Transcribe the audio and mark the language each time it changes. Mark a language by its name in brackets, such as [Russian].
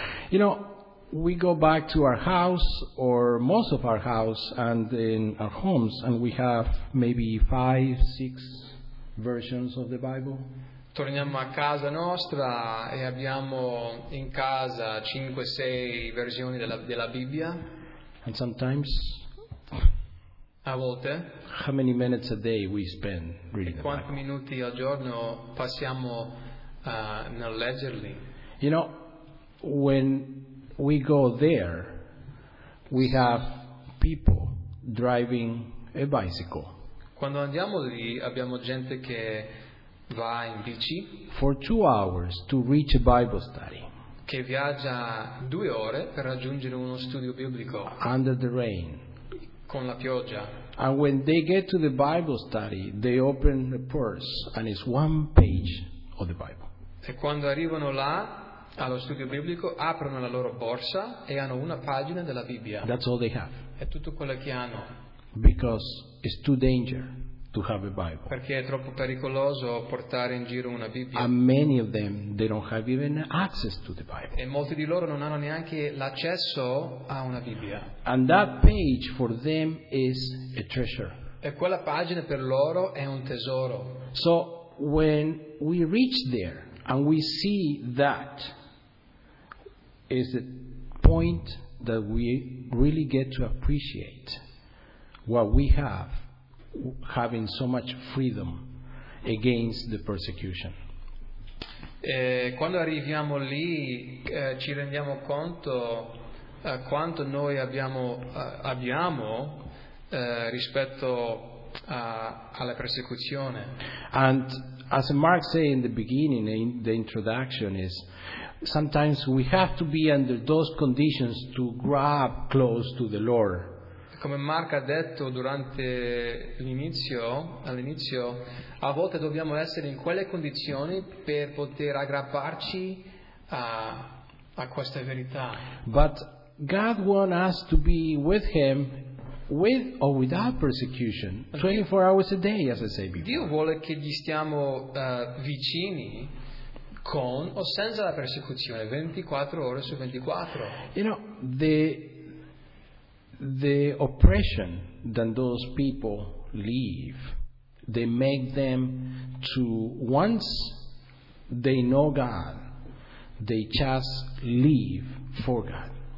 [English] You know, we go back to our house, or most of our house, and in our homes, and we have maybe 5-6 versions of the Bible. [Italian] Torniamo a casa nostra e abbiamo in casa 5-6 versioni della Bibbia. [English] And sometimes, [Italian] a volte, [English] how many minutes a day we spend reading [Italian] e quanti minuti al giorno passiamo nel leggerli. [English] You know, when we go there, we have people driving a bicycle. [Italian] Quando andiamo lì abbiamo gente che va in bici. [English] For 2 hours to reach a Bible study. [Italian] Che viaggia 2 ore per raggiungere uno studio biblico. [English] Under the rain. [Italian] Con la pioggia. [English] And when they get to the Bible study, they open the purse and it's one page of the Bible. [Italian] E quando arrivano là allo studio biblico, aprono la loro borsa e hanno una pagina della Bibbia. [English] That's all they have. [Italian] È tutto quello che hanno. [English] Because it's too dangerous to have a Bible. [Italian] Perché è troppo pericoloso portare in giro una Bibbia. [English] And many of them, they don't have even access to the Bible. [Italian] E molti di loro non hanno neanche l'accesso a una Bibbia. [English] And that page for them is a treasure. [Italian] E quella pagina per loro è un tesoro. [English] So when we reach there and we see that, is the point that we really get to appreciate what we have, having so much freedom against the persecution. [Italian] Quando arriviamo lì ci rendiamo conto quanto noi abbiamo rispetto alla persecuzione. [English] And as Mark said in the beginning, in the introduction, is sometimes we have to be under those conditions to grab close to the Lord. [Italian] Come Mark ha detto durante all'inizio, a volte dobbiamo essere in quelle condizioni per poter aggrapparci a questa verità. [English] But God wants us to be with Him, with or without persecution, 24 hours a day, as I say before. [Italian] Dio vuole che gli stiamo vicini con o senza la persecuzione, 24 ore su 24. [English] You know, the oppression that those people live, they make them to, once they know God, they just live for God.